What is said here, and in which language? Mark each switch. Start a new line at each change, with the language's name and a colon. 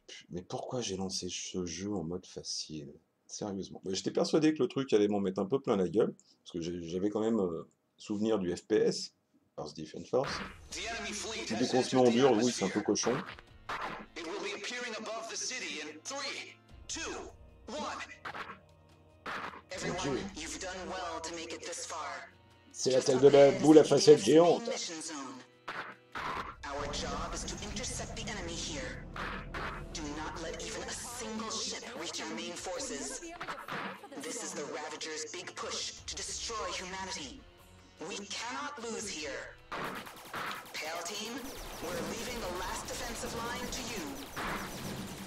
French: Mais pourquoi j'ai lancé ce jeu en mode facile? Sérieusement. Mais j'étais persuadé que le truc allait m'en mettre un peu plein la gueule. Parce que j'avais quand même souvenir du FPS. Earth Defense Force. Dès qu'on se met en dur, oui, c'est un peu cochon.
English: It will be appearing above the city in 3, 2, 1. Everyone, you've done well to make it this far.
French: C'est la tête de la boule à facettes géante.
English: Our job is to intercept the enemy here. Do not let even a single ship reach our main forces. This is the Ravager's big push to destroy humanity. We cannot lose here. Pale Team, we're leaving the last defensive line to you.